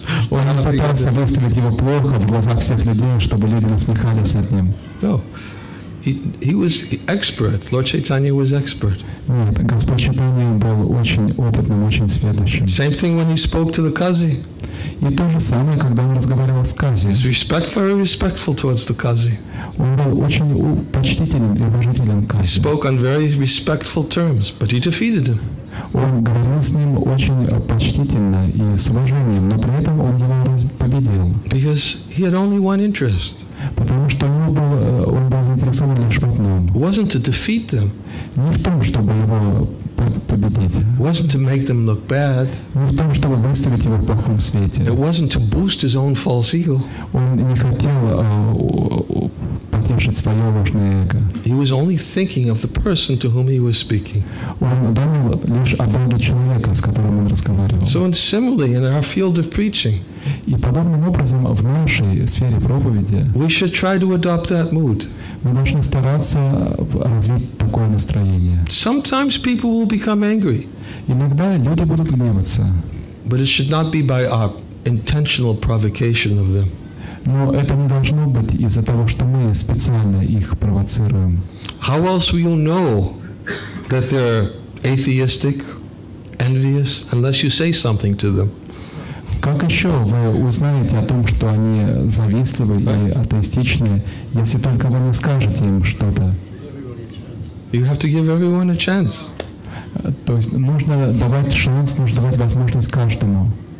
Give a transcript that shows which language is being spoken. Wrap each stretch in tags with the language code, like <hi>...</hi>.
<ru>Он не пытался выставить его плохо в глазах всех людей, чтобы люди насмехались над ним.</ru> <en>No, he was expert. Lord Chaitanya was expert.</en> <ru>Нет, Господь Чайтанья был очень опытным, очень сведущим.</ru> <en>Same thing when he spoke to the Qazi.</en> <ru>И то же самое, когда он разговаривал с Кази.</ru> <en>He's respectful, very respectful towards the Qazi.</en> <ru>Он был очень почтительным и уважительным к Кази.</ru> <en>He spoke on very respectful terms, but he defeated him.</en> <ru>Он говорил с ним очень почтительно и с уважением, но при этом он его победил.</ru> <en>Because he had only one interest.</en> <ru>Потому что он был заинтересован лишь в одном.</ru> <en>Wasn't to defeat them.</en> <ru>Не в том, чтобы его победить.</ru> <en>Wasn't to make them look bad.</en> <ru>Не в том, чтобы выставить его в плохом свете.</ru> <en>It wasn't to boost his own false ego.</en> <ru>Он не хотел потешить свое ложное эго.</ru> <en>He was only thinking of the person to whom he was speaking.</en> <ru>Он думал лишь о Боге человека, с которым он разговаривал.</ru> <en>So in similarly, in our field of preaching,</en> <ru>и подобным образом в нашей сфере проповеди,</ru> <en>we should try to adopt that mood.</en> <ru>Мы должны стараться развить такое настроение.</ru> <en>Sometimes people will become angry.</en> <ru>Иногда люди будут гневаться.</ru> <en>But it should not be by our intentional provocation of them.</en> <ru>Но это не должно быть из-за того, что мы специально их провоцируем.</ru> <en>How else will you know that they're atheistic, envious, unless you say something to them?</en> <ru>Как еще вы узнаете о том, что они завистливы и атеистичны, если только вы не скажете им что-то?</ru> <en>You have to give everyone a chance.</en> <ru>То есть нужно давать шанс, нужно давать возможность каждому.</ru>